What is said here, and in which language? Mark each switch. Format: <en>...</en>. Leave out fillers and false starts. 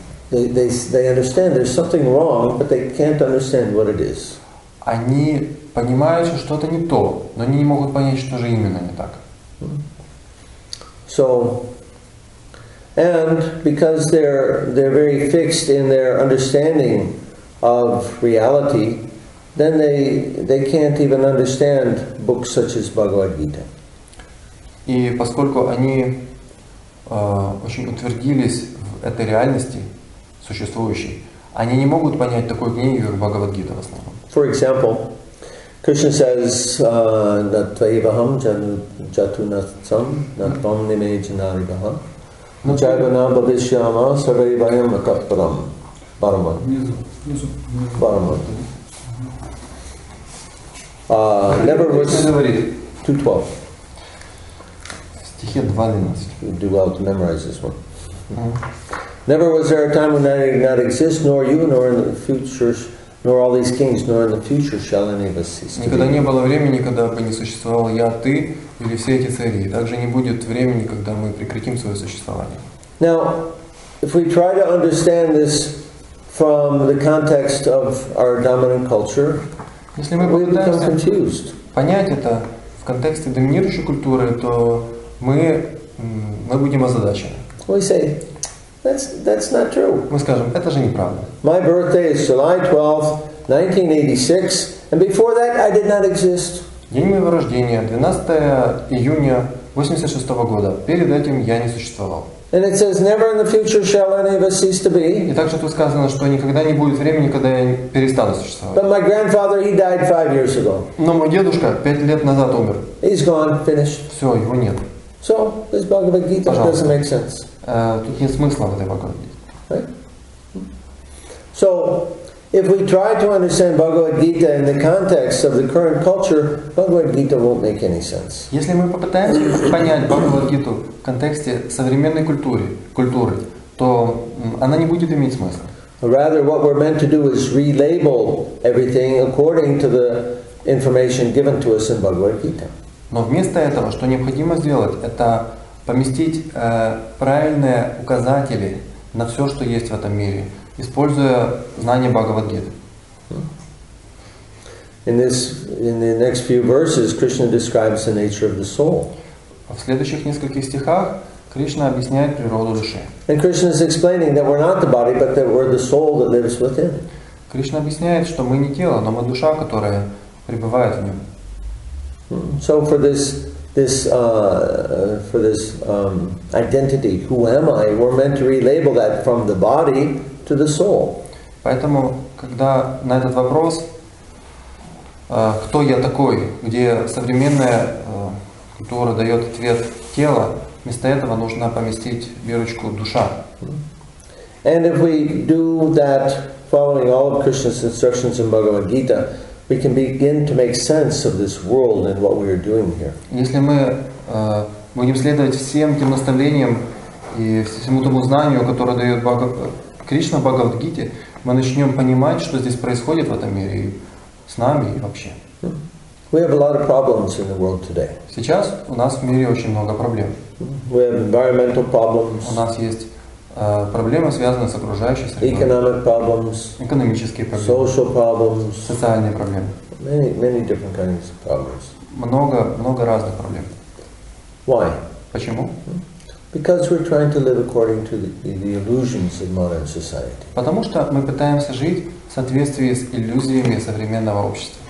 <en>They understand there's something wrong, but they can't understand what it is.</en> <ru>Они понимают, что что-то не то, но они не могут понять, что же именно не так.</ru> <en>So, and because they're very fixed in their understanding of reality, then they can't even understand books such as Bhagavad Gita.</en> <ru>И поскольку они очень утвердились в этой реальности существующей, они не могут понять такую книгу, как Бхагавад-гита в основном.</ru> <en>For example, Krishna says,</en> <sa>natvaivaham jatunatsam natvam nime janaribaham jayvana bhavishyama sarvaivayam akatparam paraman. Paraman.</sa> <en>Never was 2.12.</en> <ru>Стихи 2.12.</ru> <en>You do well to memorize this one. Never was there a time when that did not exist, nor you, nor in the future, nor all these kings, nor in the future shall any of us cease.</en> <ru>Никогда не было времени, когда бы не существовал я, ты или все эти цари. Также не будет времени, когда мы прекратим свое существование.</ru> <en>Now, if we try to understand this from the context of our dominant culture,</en> <ru>если мы попытаемся понять это в контексте доминирующей культуры, то мы будем озадачены.</ru> <en>We say, that's not true.</en> <ru>Мы скажем, это же неправда.</ru> <en>My birthday is July 12, 1986, and before that I did not exist.</en> <ru>День моего рождения 12 июня 86 года. Перед этим я не существовал.</ru> <en>And it says, never in the future shall any of us cease to be.</en> <ru>И также тут сказано, что никогда не будет времени, когда я перестану существовать.</ru> <en>But my grandfather, he died 5 years ago.</en> <ru>Но мой дедушка 5 лет назад умер.</ru> <en>He's gone, finished.</en> <ru>Все, его нет.</ru> <en>So this Bhagavad Gita doesn't make sense.</en> <ru>Тут нет смысла в этой Бхагавад Гите.</ru> <en>So if we try to understand Bhagavad Gita in the context of the current culture, Bhagavad Gita won't make any sense.</en> <ru>Если мы попытаемся понять Бхагавад Гиту в контексте современной культуры, то она не будет иметь смысла.</ru> <en>Rather, what we're meant to do is relabel everything according to the information given to us in Bhagavad Gita.</en> <ru>Но вместо этого, что необходимо сделать, это поместить правильные указатели на все, что есть в этом мире, используя знания Бхагавад-гиты.</ru> <en>In the next few verses, Krishna describes the nature of the soul.</en> <ru>В следующих нескольких стихах Кришна объясняет природу души.</ru> <en>And Krishna is explaining that we're not the body, but that we're the soul that lives within.</en> <ru>Кришна объясняет, что мы не тело, но мы душа, которая пребывает в нем.</ru> <en>So for this identity, who am I? We're meant to relabel that from the body to the soul.</en> <ru>Поэтому, когда на этот вопрос, кто я такой, где современная культура дает ответ тело, вместо этого нужно поместить бирочку душа.</ru> <en>And if we do that, following all of Krishna's instructions in Bhagavad Gita, we can begin to make sense of this world and what we are doing here.</en> <ru>Если мы будем следовать всем тем наставлениям и всему тому знанию, которое дает Кришна в Бхагавад-гите, мы начнем понимать, что здесь происходит в этом мире и с нами и вообще.</ru> <en>We have a lot of problems in the world today.</en> <ru>Сейчас у нас в мире очень много проблем.</ru> <en>We have environmental problems.</en> <ru>У нас есть проблемы, связанные с окружающей средой.</ru> <en>Economic problems,</en> <ru>экономические проблемы.</ru> <en>Social problems,</en> <ru>социальные проблемы.</ru> <en>Many, many different kinds of problems.</en> <ru>Много, много разных проблем.</ru> <en>Why?</en> <ru>Почему?</ru> <en>Because we're trying to live according to the illusions of modern society.</en> <ru>Потому что мы пытаемся жить в соответствии с иллюзиями современного общества.</ru>